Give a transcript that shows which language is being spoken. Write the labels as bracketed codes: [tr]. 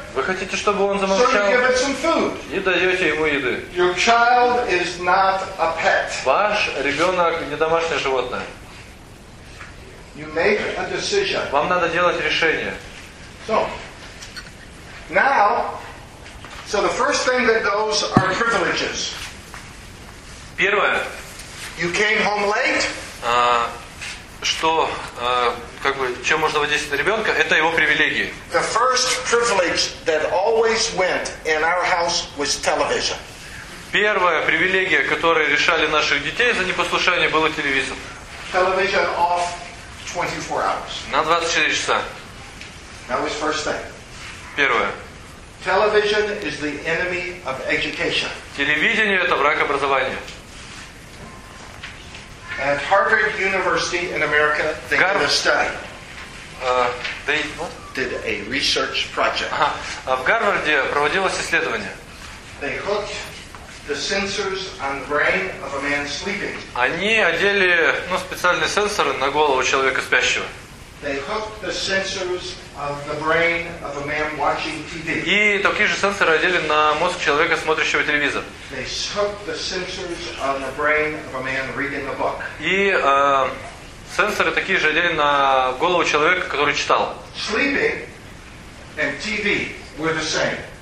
[ru] Вы хотите, чтобы он замолчал? [en] So you give it some food. [ru] И даете ему еды. [en] Your child is not a pet. [ru] Ваш ребенок не домашнее животное. [en] You make a decision. [ru] Вам надо делать решение. [en] So, now, so the first thing that goes are privileges. [ru] Первое. [en] You came home late. [ru] Что, как бы, чем можно воздействовать на ребенка, это его привилегии. [en] The first privilege that always went in our house was television. [ru] Первая привилегия, которую решали наших детей за непослушание, было телевизор. [en] Television off 24 hours. [ru] На 24 часа. [en] That was first thing. [ru] Первое. [en] Television is the enemy of education. [ru] Телевидение – это враг образования. [en] At Harvard University in America, they did a study. They what? Did a research project. [ru] В Гарварде проводилось исследование. [en] They hooked the sensors on the brain of a man sleeping. [ru] Они одели, ну, специальные сенсоры на голову человека спящего. [en] They hooked the sensors of the brain of a man watching TV. [ru] И такие же сенсоры одели на мозг человека, смотрящего телевизор. [en] They hooked the sensors on the brain of a man reading a book. [ru] И сенсоры такие же одели на голову человека, который читал. [en] Sleeping and TV were the same.